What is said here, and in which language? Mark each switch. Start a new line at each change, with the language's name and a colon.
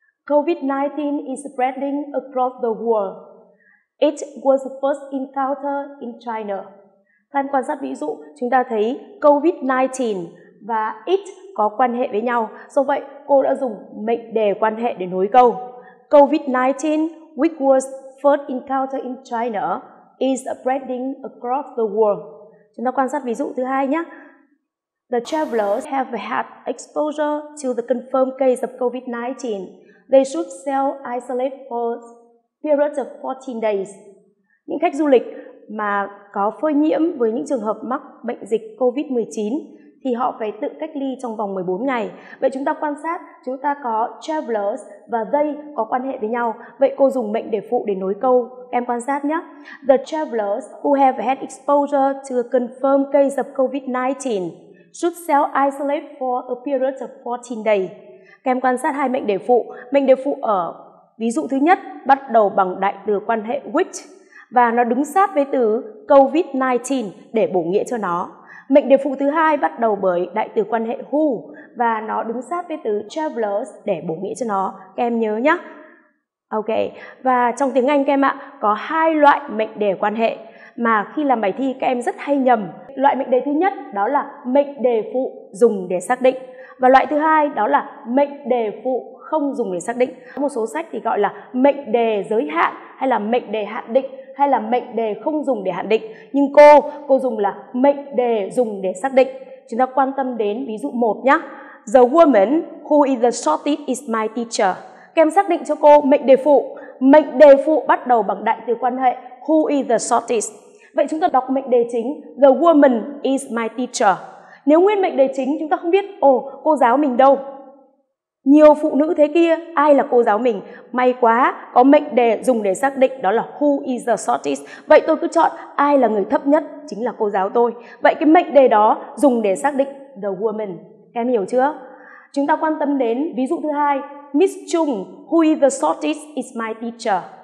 English: COVID-19 is spreading across the world. It was first encountered in China.
Vietnamese: Các em quan sát ví dụ, chúng ta thấy COVID-19 và it có quan hệ với nhau. Do vậy, cô đã dùng mệnh đề quan hệ để nối câu.
English: COVID-19, which was first encountered in China, is spreading across the world.
Vietnamese: Chúng ta quan sát ví dụ thứ hai nhé.
English: The travelers have had exposure to the confirmed case of COVID-19. They should self-isolate for a period of 14 days.
Vietnamese: Những khách du lịch mà có phơi nhiễm với những trường hợp mắc bệnh dịch COVID-19 thì họ phải tự cách ly trong vòng 14 ngày. Vậy chúng ta quan sát, chúng ta có travelers và they có quan hệ với nhau. Vậy cô dùng mệnh đề phụ để nối câu. Em quan sát nhé.
English: The travelers who have had exposure to a confirmed case of COVID-19 should self-isolate for a period of 14 days.
Vietnamese: Em quan sát hai mệnh đề phụ. Mệnh đề phụ ở ví dụ thứ nhất bắt đầu bằng đại từ quan hệ which và nó đứng sát với từ COVID-19 để bổ nghĩa cho nó. Mệnh đề phụ thứ hai bắt đầu bởi đại từ quan hệ who và nó đứng sát với từ travelers để bổ nghĩa cho nó. Các em nhớ nhé. Ok. Và trong tiếng Anh các em ạ, có hai loại mệnh đề quan hệ mà khi làm bài thi các em rất hay nhầm. Loại mệnh đề thứ nhất đó là mệnh đề phụ dùng để xác định. Và loại thứ hai đó là mệnh đề phụ không dùng để xác định. Một số sách thì gọi là mệnh đề giới hạn hay là mệnh đề hạn định. Hay là mệnh đề không dùng để hạn định. Nhưng cô dùng là mệnh đề dùng để xác định. Chúng ta quan tâm đến ví dụ 1 nhé.
English: The woman who is the shortest is my teacher.
Vietnamese: Các em xác định cho cô mệnh đề phụ. Mệnh đề phụ bắt đầu bằng đại từ quan hệ
English: who is the shortest.
Vietnamese: Vậy chúng ta đọc mệnh đề chính.
English: The woman is my teacher.
Vietnamese: Nếu nguyên mệnh đề chính chúng ta không biết cô giáo mình đâu. Nhiều phụ nữ thế kia, ai là cô giáo mình? May quá, có mệnh đề dùng để xác định đó là
English: who is the shortest.
Vietnamese: Vậy tôi cứ chọn ai là người thấp nhất, chính là cô giáo tôi. Vậy cái mệnh đề đó dùng để xác định the woman. Em hiểu chưa? Chúng ta quan tâm đến ví dụ thứ hai.
English: Miss Chung, who is the shortest is my teacher.